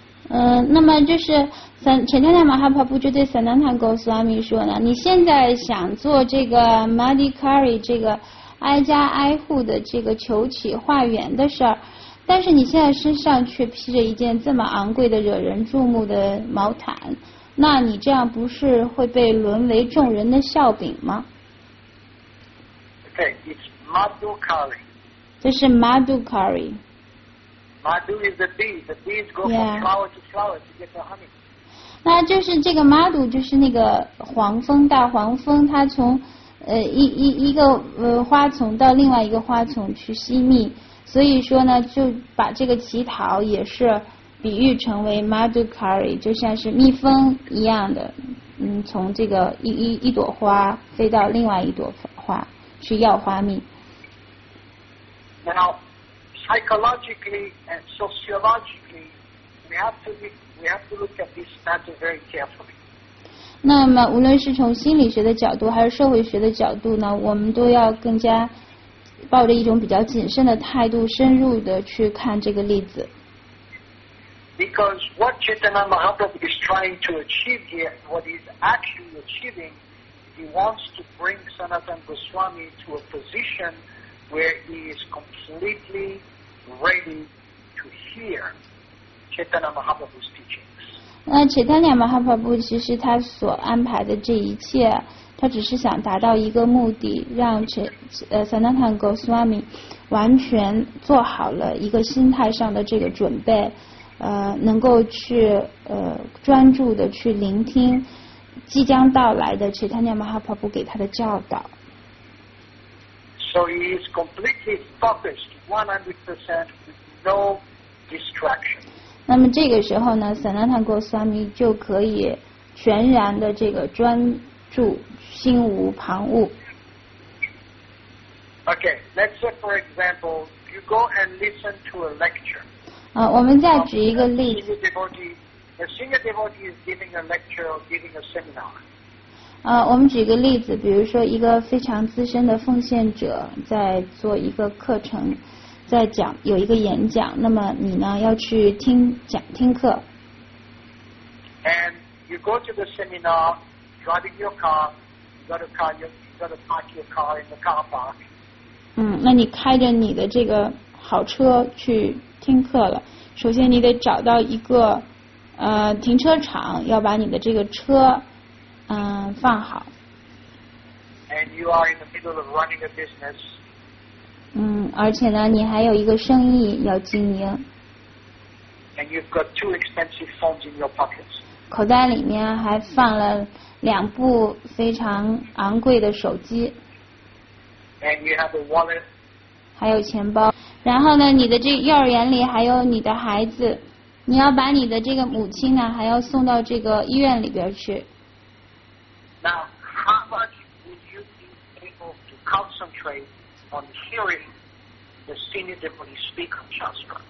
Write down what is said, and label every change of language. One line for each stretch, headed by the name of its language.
Chinese: 那么就是Chaitanya Mahaprabhu 就对 Sanatana Goswami 说呢，你现在想做这个 Madhukari 这个挨家挨户的这个求乞化缘的事儿，但是你现在身上却披着一件这么昂贵的惹人注目的毛毯，那你这样不是会被沦为众人的笑柄吗？
English: Okay, it's Madhukari.
Chinese: 这是 Madhukari.
English: Madhu is the bees. The bees go from flower to flower to get the honey.
Chinese: 那就是这个 Madhu 就是那个黄蜂，大黄蜂，它从一个花丛到另外一个花丛去吸蜜，所以说呢，就把这个乞讨也是比喻成为 Madhukari， 就像是蜜蜂一样的，从这个一朵花飞到另外一朵花去要花蜜。
English: Now, psychologically and sociologically, we have to look at this matter very carefully.
Chinese: 那么无论是从心理学的角度还是社会学的角度呢，我们都要更加抱着一种比较谨慎的态度深入的去看这个例子。
English: Because what Chaitanya Mahaprabhu is trying to achieve here, what he's actually achieving, he wants to bring Sanatana Goswami to a position where he is completely ready to hear Chaitanya Mahaprabhu's teaching.
Chinese: 那Chaitanya Mahaprabhu其实他所安排的这一切，他只是想达到一个目的，让Sanatana Goswami 完全做好了一个心态上的这个准备，能够去专注的去聆听即将到来的Chaitanya Mahaprabhu 给他的教导。
English: So he is completely focused 100% with no distractions.
Chinese: 那么这个时候呢 Sanatana Goswami 就可以全然的这个专注心无旁骛。
English: Okay, let's say for example you go and listen to a lecture.
Chinese: 我们再举一个例子。
English: A senior devotee is giving a lecture or giving a seminar.
Chinese: 我们举一个例子，比如说一个非常资深的奉献者在做一个课程，在讲有一个演讲，那么你呢要去听课。
English: And you go to the seminar, driving your car. You got to park your car in the car park.
Chinese: 那你开着你的这个好车去听课了。首先你得找到一个停车场，要把你的这个车放好。
English: And you are in the middle of running a business.
Chinese: 而且呢，你还有一个生意要经营。
English: And you've got two expensive phones in your pockets.
Chinese: 口袋里面还放了两部非常昂贵的手机。
English: And you have a wallet.
Chinese: 还有钱包。然后呢，你的这幼儿园里还有你的孩子，你要把你的这个母亲呢，还要送到这个医院里边去。
English: Now, how much would you be able to concentrate on hearing the senior deputy speaker transfer?